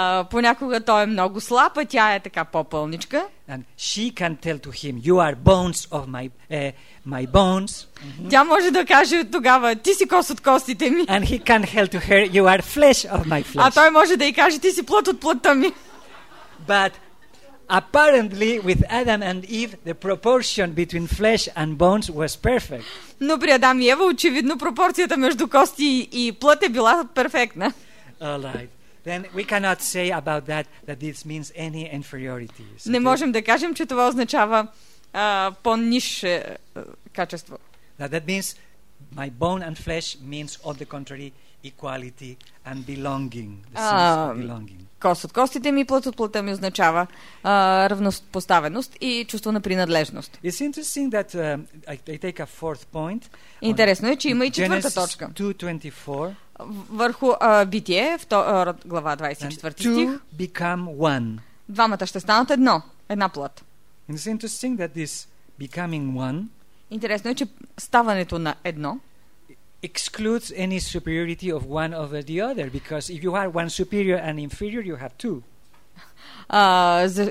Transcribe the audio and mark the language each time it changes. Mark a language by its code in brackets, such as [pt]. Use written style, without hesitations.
[bg] Понякога той е много слаб, а тя е така по-пълничка. [en] And she can tell to him, you are bones of my bones. Mm-hmm. [bg] Тя може да каже тогава, ти си кост от костите ми. [en] And he can tell to her, you are flesh of my flesh. [bg] А той може да й каже, ти си плът от плътта ми. [en] But apparently with Adam and Eve, the proportion between flesh and bones was perfect. [bg] Но при Адам и Ева очевидно пропорцията между кости и плът е била перфектна. [en] All right. Then we cannot say about that this means any inferiority. [bg] So не можем да кажем, че това означава по-нише качество. [en] That means my bone and flesh means on the contrary equality and belonging. The sense of belonging. [bg] Кост от костите ми, плът от плътта ми означава равнопоставеност и чувство на принадлежност. [en] It's interesting that I take a fourth point. [bg] Интересно е, че има и четвърта точка. [en] Genesis 2:24. [bg] Върху Битие, глава 24 стих. [en] And two become one. [bg] Двамата ще станат едно, една плът. [en] And it's interesting that this becoming one, [bg] интересно е, че ставането на едно [en] excludes any superiority of one over the other, because if you are one superior and inferior, you have two.